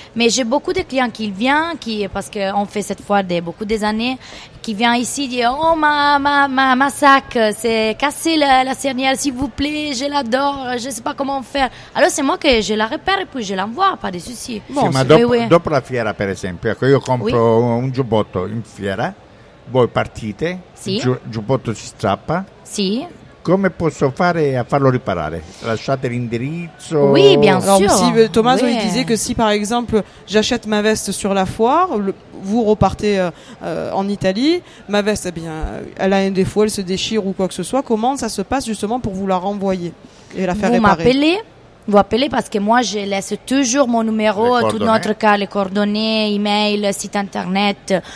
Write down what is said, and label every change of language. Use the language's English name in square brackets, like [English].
[French] Mais j'ai beaucoup de clients qui viennent, parce qu'on fait cette fois beaucoup des années, qui vient ici dire « Oh, ma sac, c'est cassé la cernière, s'il vous plaît, je l'adore, je ne sais pas comment faire. » Alors, c'est moi que je la repère et puis je l'envoie, pas de soucis. [Italian] Dopo la fiera, per esempio, io compro un giubbotto in fiera, voi partite, il giubbotto si strappa. Sì. Come posso fare a farlo riparare? Lasciate l'indirizzo. [French] Oui, bien sûr. Alors, si, Tommaso, il disait que si, par exemple, j'achète ma veste sur la foire, vous repartez en Italie, ma veste, eh bien, elle a un défaut, elle se déchire ou quoi que ce soit. Comment ça se passe justement pour vous la renvoyer et la faire vous réparer? Vous m'appelez parce que moi, je laisse toujours mon numéro, tout notre cas, les coordonnées, email, site internet.